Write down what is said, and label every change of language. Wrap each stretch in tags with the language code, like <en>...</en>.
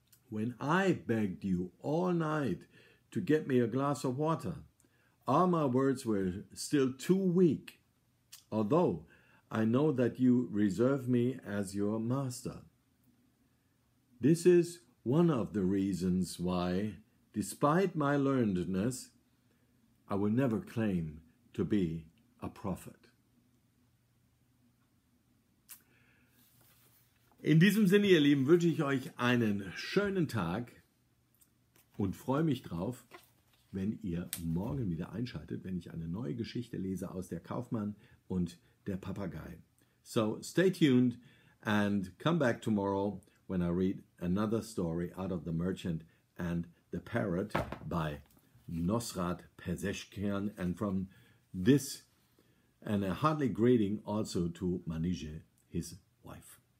<en>When I begged you all night to get me a glass of water, all my words were still too weak, although I know that you reserve me as your master. This is one of the reasons why, despite my learnedness, I will never claim to be a prophet.</en> <de>In diesem Sinne, ihr Lieben, wünsche ich euch einen schönen Tag und freue mich drauf, wenn ihr morgen wieder einschaltet, wenn ich eine neue Geschichte lese aus Der Kaufmann und der Papagei.</de> <en>So, stay tuned and come back tomorrow when I read another story out of The Merchant and the Parrot by Nosrat Pezeshkian, and from this, and a hearty greeting also to Manije, his wife.</en>